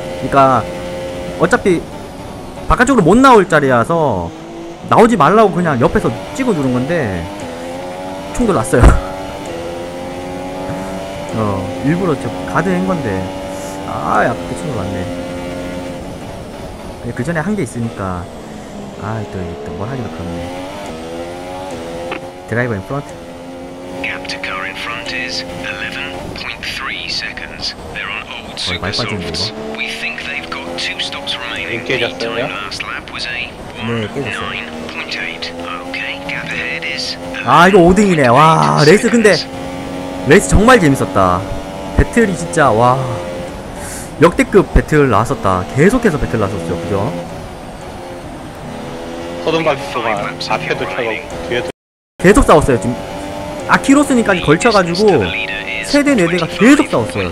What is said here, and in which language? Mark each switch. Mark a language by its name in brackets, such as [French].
[Korean] 그니까, 어차피, 바깥쪽으로 못 나올 자리라서, 나오지 말라고 그냥 옆에서 찍어 주는 건데, 충돌 났어요. 일부러 저 가드 한 건데, 아, 아깝게 충돌 났네. 그 전에 한 게 있으니까, 아, 또 뭘 하기도 그렇네. [English] 드라이버 인 프론트. Gap to car in front is 11.3 seconds. They're on old supersofts. We think they've got two stops remaining. The time last lap was a 9.8. Okay, gap ahead is 11.8. [Korean] 아, 이거 5등이네. 와, 레이스 근데 레이스 정말 재밌었다. 배틀이 진짜 와 역대급 배틀 나왔었다. 계속해서 배틀 나왔었죠, 그죠? 서동발 수만 앞에도 차고 뒤에도 계속 싸웠어요. 지금 아키로스님까지 걸쳐가지고 3대 4대가 계속 싸웠어요.